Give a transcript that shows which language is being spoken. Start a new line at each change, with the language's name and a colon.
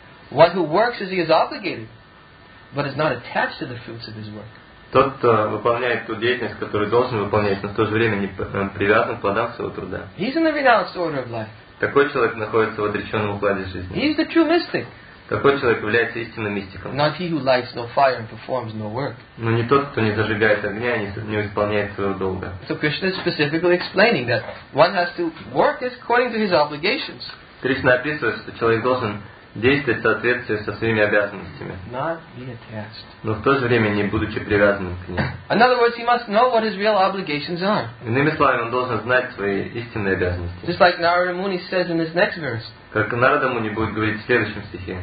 English: One who works as he is obligated, but is not attached to the fruits of his work.
Russian: Тот, кто выполняет ту деятельность, которую должен выполнять, но в то же время не привязан к плодам своего труда.
English: He's in the renounced order of life.
Russian: Такой человек находится в отреченном укладе жизни.
English: He's the true mystic.
Russian: Такой человек является истинным мистиком.
English: Not he who lights no fire and performs no work.
Russian: Но не тот, кто не зажигает огня и не исполняет своего долга.
English: So Krishna is specifically explaining that one has to work according to his obligations.
Russian: Кришна описывает, что человек должен действовать в соответствии со своими обязанностями.
English: Not be attached.
Russian: Но в то же время не будучи привязанным к ним.
English: In other words, he must know what his real obligations are.
Russian: Иными словами, он должен знать свои истинные обязанности.
English: Just like Narada Muni says in his next verse.
Russian: Как Нарада Муни будет говорить в следующем стихе.